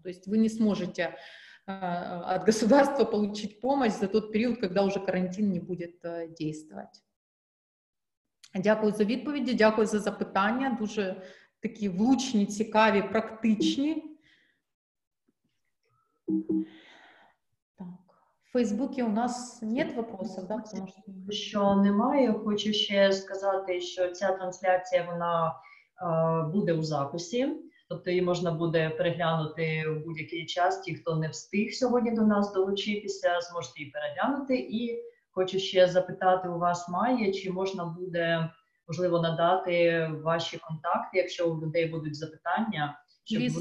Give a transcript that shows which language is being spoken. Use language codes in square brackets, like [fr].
[ru] То есть вы не сможете от государства получить помощь за тот период, когда уже карантин не будет действовать. [uk] Дякую за відповіді, дякую за запитання. Дуже такі влучні, цікаві, практичні. [ru] В Фейсбуці у нас нет вопросов, да? [uk] Що немає, хочу ще сказати, що ця трансляція, вона буде у записі, тобто її можна буде переглянути в будь-який час, ті, хто не встиг сьогодні до нас долучитися, зможете її переглянути. І хочу ще запитати у вас, Майя, чи можна буде, можливо, надати ваші контакти, якщо у людей будуть запитання, щоб Різно.